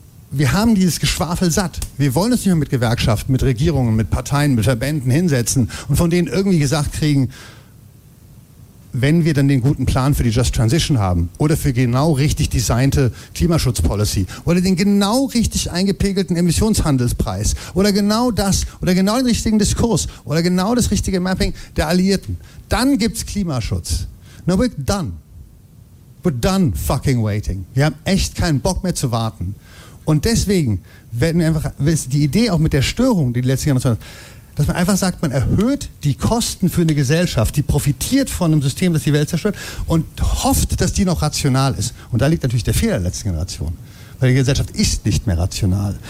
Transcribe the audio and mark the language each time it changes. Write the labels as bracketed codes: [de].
[de] wir haben dieses Geschwafel satt. Wir wollen uns nicht mehr mit Gewerkschaften, mit Regierungen, mit Parteien, mit Verbänden hinsetzen und von denen irgendwie gesagt kriegen, wenn wir dann den guten Plan für die Just Transition haben oder für genau richtig designte Klimaschutzpolicy oder den genau richtig eingepegelten Emissionshandelspreis oder genau das oder genau den richtigen Diskurs oder genau das richtige Mapping der Alliierten, dann gibt's Klimaschutz. [en] Now we're done fucking waiting. [de] Wir haben echt keinen Bock mehr zu warten. Und deswegen werden wir einfach, die Idee auch mit der Störung, die letzten Jahre, dass man einfach sagt, man erhöht die Kosten für eine Gesellschaft, die profitiert von einem System, das die Welt zerstört und hofft, dass die noch rational ist. Und da liegt natürlich der Fehler der letzten Generation. Weil die Gesellschaft ist nicht mehr rational.